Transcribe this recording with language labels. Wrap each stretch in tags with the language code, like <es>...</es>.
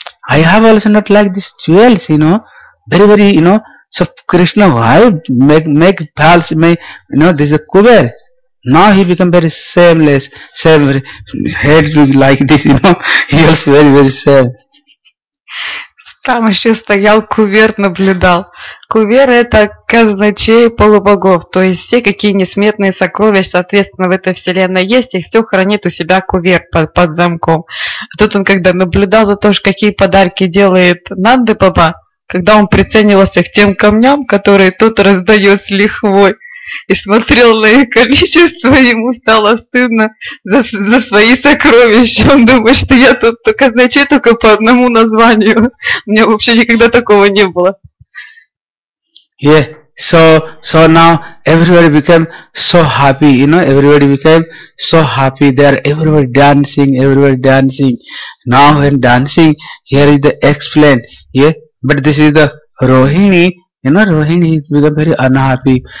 <en>I have also not like this jewels, you know, very, very, you know. So Krishna, why make false, you know, this is a Kuber? Now he become very shameless, same head like this, you know, he was very, very sad.</en> <ru>Там еще стоял кувер, наблюдал. Кувер — это казначей полубогов, то есть все, какие несметные сокровища, соответственно, в этой вселенной есть, и все хранит у себя кувер под замком. А тут он когда наблюдал за то, какие подарки делает Нанды Баба, когда он приценивался к тем камням, которые тот раздает с лихвой, и смотрел на их количество, ему стало стыдно за свои сокровища. Он думает, что я тут только значит только по одному названию. У меня вообще никогда такого не было.</ru> <en>Yeah. So now everybody became so happy, you know, everybody became so happy. They are everybody dancing. Now when dancing, here is the explain. Yeah. But this is the Rohini. You know, Rohini is become very unhappy.</en>